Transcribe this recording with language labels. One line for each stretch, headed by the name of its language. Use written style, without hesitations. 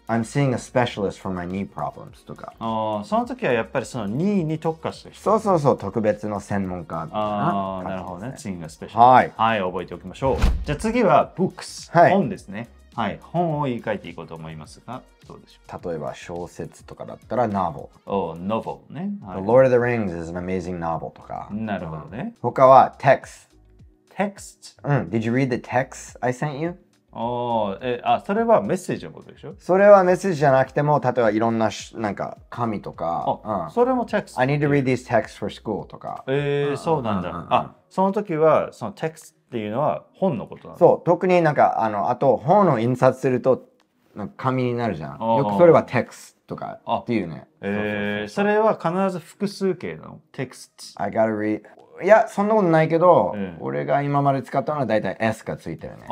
English: I'm seeing a specialist for my knee problems とか。
Japanese: その時はやっぱりその knee に特化してる。そうそうそう、特別の専門家。ああ、なるほどね。
English: seeing a specialist。
Japanese: はい。はい、覚えておきましょう。じゃあ次は books。はい。本ですね。はい。本を言い換えていこうと思いますが、どうでしょう。例えば小説とかだったら novel。 novel ね。
English: The Lord of the Rings is an amazing novel とか。
Japanese: なるほどね。他は text。
English: text。
Japanese: うん。
English: Did you read the text I sent you?
Japanese: それはメッセージのことでしょ？それはメッセージじゃなくても、例えばいろんな、なんか、紙とか、うん、それもテクスト。
English: I need to read these texts for school とか。
Japanese: そうなんだ。うんうんうん、その時は、そのテクストっていうのは本のことなの？そう、特になんか、あと、本を印刷すると、なんか紙になるじゃん。よくそれはテクストとかっていうね。それは必ず複数形のテクスト。
English: I gotta read.
Japanese: いや、そんなことないけど、うん、俺が今まで使ったのはだいたい S がついてるね。